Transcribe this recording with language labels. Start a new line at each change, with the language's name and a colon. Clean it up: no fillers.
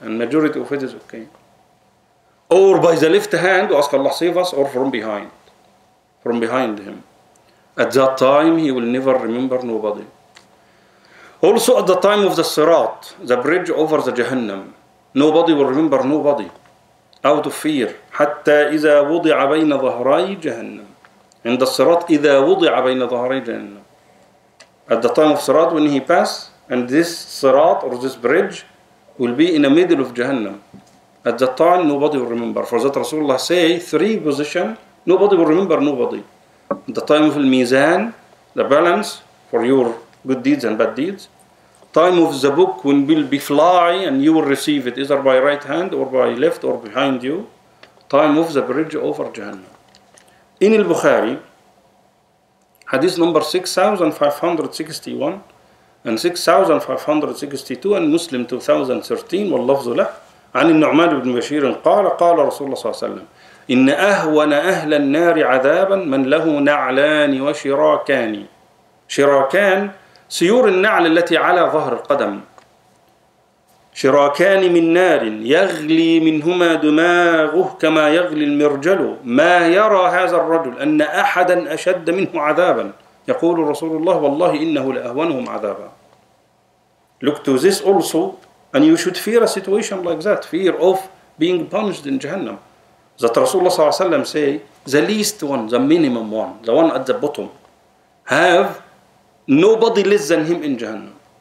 English: And majority of it is okay. Or by the left hand, ask Allah save us, or from behind him. At that time, he will never remember nobody. Also at the time of the Sirat, the bridge over the Jahannam, nobody will remember nobody. Out of fear.
Arabic: حتى إذا وضع بين ظهري جهنم.
English: In the Sirat,
Arabic: إذا وضع بين ظهري جهنم.
English: At the time of Sirat, when he passed, and this Sirat or this bridge will be in the middle of Jahannam. At that time, nobody will remember. For that Rasulullah say, three position, nobody will remember nobody. At the time of the Mizan, the balance for your good deeds and bad deeds. Time of the book, when will be fly and you will receive it, either by right hand or by left or behind you. Time of the bridge over Jahannam. In al-Bukhari, hadith number 6561 and 6562 and Muslim 2013, wal-lafzu lah,
Arabic: عن النعمان بن بشير قال قال رسول الله صلى الله عليه وسلم إن أهون أهل النار عذابا من له نعلان وشراكان. شراكان, سيور النعل التي على ظهر القدم. شراكان من نار يغلي منهما دماغه كما يغلي المرجل. ما يرى هذا الرجل أن أحدا أشد منه عذابا. يقول رسول الله والله إنه لأهونهم عذابا.
English: Look to this also, and you should fear a situation like that, fear of being punished in Jahannam. That Rasulullah صلى الله عليه وسلم say, the least one, the minimum one, the one at the bottom, have nobody less than him in Jahannam.